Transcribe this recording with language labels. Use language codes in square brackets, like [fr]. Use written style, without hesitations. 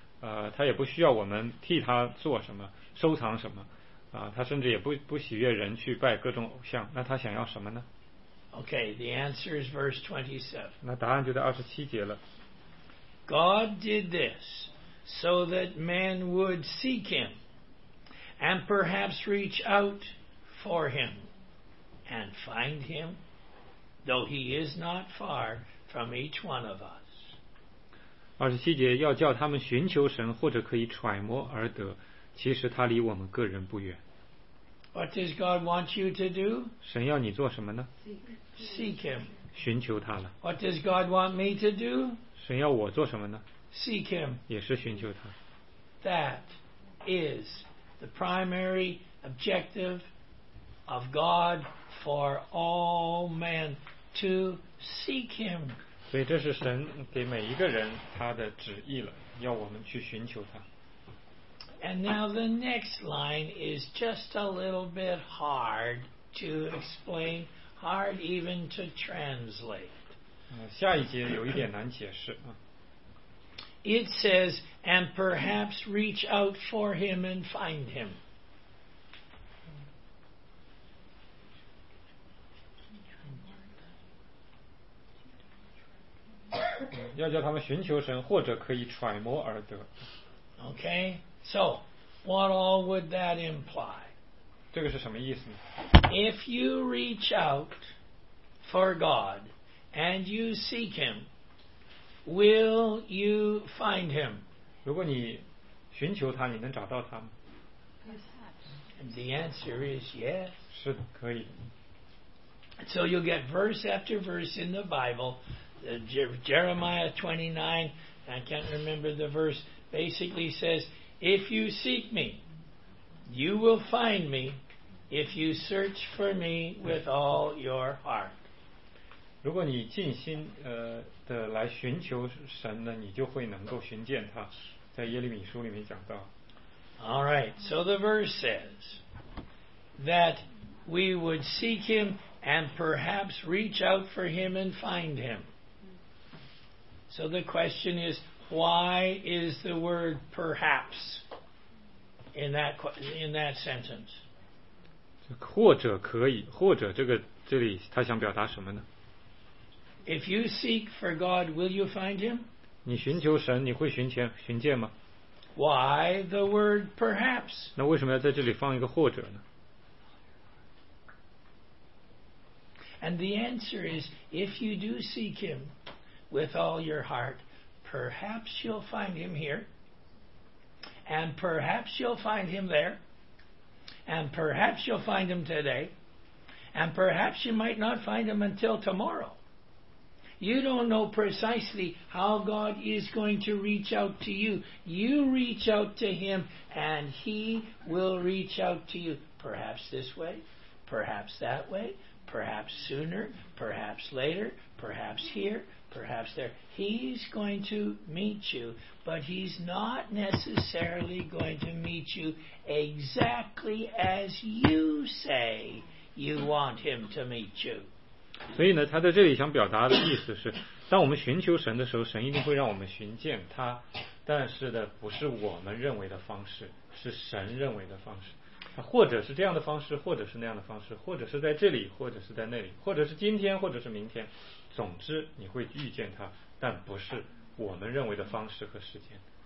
[zh] 他也不需要我们替他做什么，收藏什么，他甚至也不喜悦人去拜各种偶像，那他想要什么呢？ [en] Okay, the answer is verse 27. [zh] 那答案就在二十七节了。 [en] God did this so that men would seek him and perhaps reach out for him and find him, though he is not far from each one of us. [zh] 二十七节，要叫他们寻求神，或者可以揣摩而得，其实他离我们个人不远。 [en] What does God want you to do? [zh] 神要你做什么呢？ [en] Seek him. [zh] 寻求他了。 [en] What does God want me to do? [zh] 神要我做什么呢？ [en] Seek him. [zh] 也是寻求他。 [en] That is the primary objective of God for all men to seek him. [zh] 所以这是神给每一个人他的旨意了，要我们去寻求他。 [en] And now the next line is just a little bit hard to explain, hard even to translate. [zh] 下一节有一点难解释。 [en] It says, and perhaps reach out for him and find him. Oh. [zh] 要叫他们寻求神，或者可以揣摩而得。 [en] Okay, so what all would that imply? [zh] 这个是什么意思呢？ [en] If you reach out for God and you seek Him, will you find Him? [zh] 如果你寻求他，你能找到他吗？ [en] The answer is yes. [zh] 是的，可以的。 [en] So you'll get verse after verse in the Bible, Jeremiah 29, I can't remember the verse, basically says, if you seek me, you will find me if you search for me with all your heart. [zh] 如果你尽心的来寻求神呢，你就会能够寻见他，在耶利米书里面讲到。 [en] All right, so the verse says that we would seek him and perhaps reach out for him and find him. So the question is, why is the word perhaps in that sentence? [zh] 或者可以，或者这个这里他想表达什么呢？ [en] If you seek for God, will you find him? [zh] 你寻求神，你会寻见吗？ [en] Why the word perhaps? [zh] 那为什么要在这里放一个或者呢？ [en] And the answer is, if you do seek him with all your heart, perhaps you'll find him here, and perhaps you'll find him there, and perhaps you'll find him today, and perhaps you might not find him until tomorrow. You don't know precisely how God is going to reach out to you. You reach out to him, and he will reach out to you, perhaps this way, perhaps that way, perhaps sooner, perhaps later, perhaps here, perhaps there. He's going to meet you, but he's not necessarily going to meet you exactly as you say you want him to meet you. [zh] 所以呢，他在这里想表达的意思是，当我们寻求神的时候，神一定会让我们寻见他，但是呢，不是我们认为的方式，是神认为的方式。或者是这样的方式，或者是那样的方式，或者是在这里，或者是在那里，或者是今天，或者是明天，总之你会遇见他，但不是我们认为的方式和时间。